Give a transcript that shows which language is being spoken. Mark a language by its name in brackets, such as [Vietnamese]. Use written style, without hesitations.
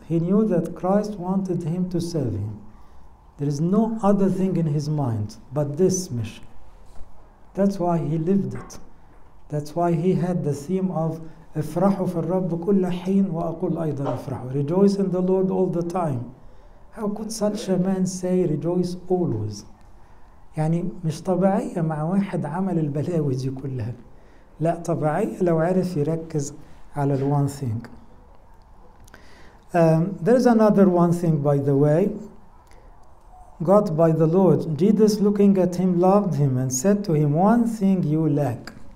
[English] He knew that Christ wanted him to serve him. There is no other thing in his mind but this mission. That's why he lived it. That's why he had the theme of [Arabic] افرحوا في الرب كل حين وأقول أيضا افرحوا. [English] Rejoice in the Lord all the time. How could such a man say rejoice always? [Arabic] يعني مش طبيعية مع واحد عمل البلاوي دي كلها، لا طبيعية لو عرف يركز على ال [English] one thing. There is another one thing, by the way. God, by the Lord, Jesus looking at him loved him and said to him, one thing you lack.